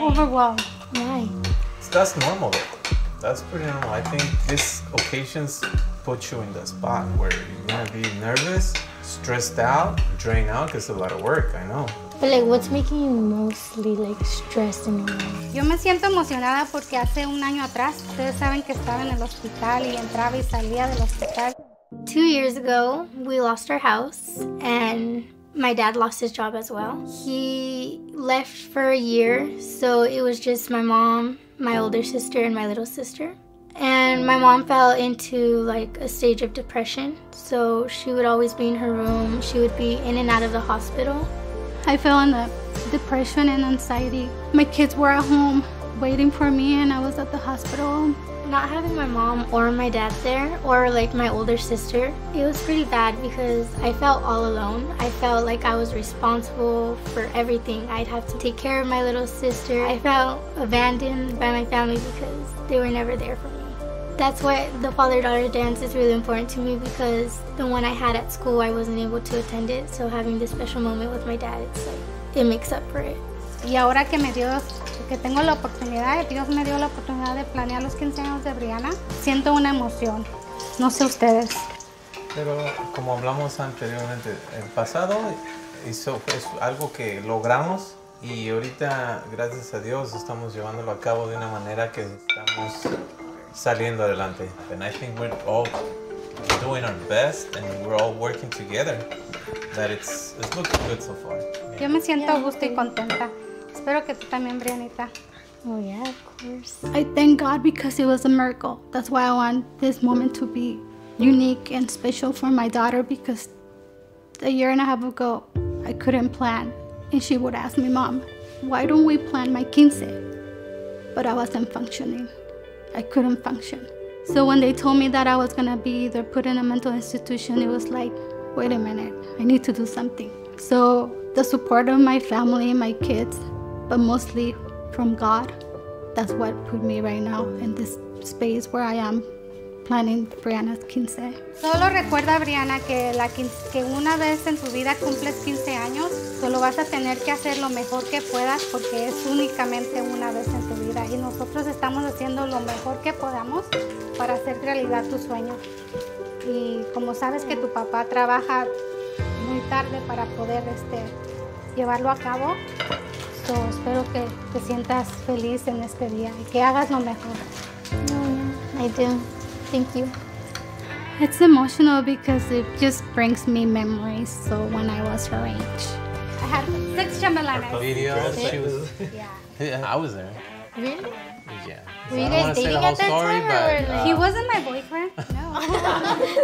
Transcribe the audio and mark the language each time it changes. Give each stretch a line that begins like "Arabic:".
English: Overwhelmed. Why? So that's normal. That's pretty normal. I think this occasions put you in the spot where you're going to be nervous, stressed out, drained out, because it's a lot of work, I know. But like, what's making you mostly like stressed in your life?
Spanish: Yo me siento emocionada porque hace un año atrás, ustedes saben que estaba en el hospital y entraba y salía del hospital.
English: 2 years ago, we lost our house and my dad lost his job as well. He left for a year, so it was just my mom, my older sister, and my little sister. And my mom fell into like a stage of depression, so she would always be in her room. She would be in and out of the hospital. I fell in the depression and anxiety. My kids were at home waiting for me and I was at the hospital. Not having my mom or my dad there, or like my older sister, it was pretty bad because I felt all alone. I felt like I was responsible for everything. I'd have to take care of my little sister. I felt abandoned by my family because they were never there for me. That's why the father-daughter dance is really important to me, because the one I had at school, I wasn't able to attend it. So having this special moment with my dad, it's like, it makes up for it.
Spanish: Y ahora que me dio, que tengo la oportunidad, Dios me dio la oportunidad de planear los 15 años de Brianna, siento una emoción. No sé ustedes. Pero como hablamos anteriormente, el pasado hizo, es algo que logramos y ahorita, gracias a Dios, estamos llevándolo a cabo de una manera que estamos saliendo adelante.
English: And I think we're all doing our best and we're all working together. That it's looking good so far.
Spanish: Yo me siento a gusto y contenta. Espero que tú también, Brianita.
English: Oh, yeah, of course. I thank God because it was a miracle. That's why I want this moment to be unique and special for my daughter, because a year and a half ago, I couldn't plan. And she would ask me, Mom, why don't we plan my quince? But I wasn't functioning. I couldn't function. So when they told me that I was gonna be either put in a mental institution, it was like, wait a minute, I need to do something. So the support of my family, my kids, but mostly from God, that's what put me right now in this space where I am planning Brianna's quince.
Spanish: Solo recuerda, Brianna, que, la quince, que una vez en tu vida cumples 15 años, solo vas a tener que hacer lo mejor que puedas porque es únicamente una vez en tu vida. Y nosotros estamos haciendo lo mejor que podamos para hacer realidad tu sueño. Y como sabes que tu papá trabaja muy tarde para poder llevarlo a cabo,
English: so,
Spanish: espero que te sientas feliz en este día y que hagas lo mejor.
English: I do. Thank you. It's emotional because it just brings me memories. So when I was her age, I had 6 chambelanes. Yeah, I was there. Really? Yeah. Were you guys dating at that time? But, he wasn't my boyfriend. No.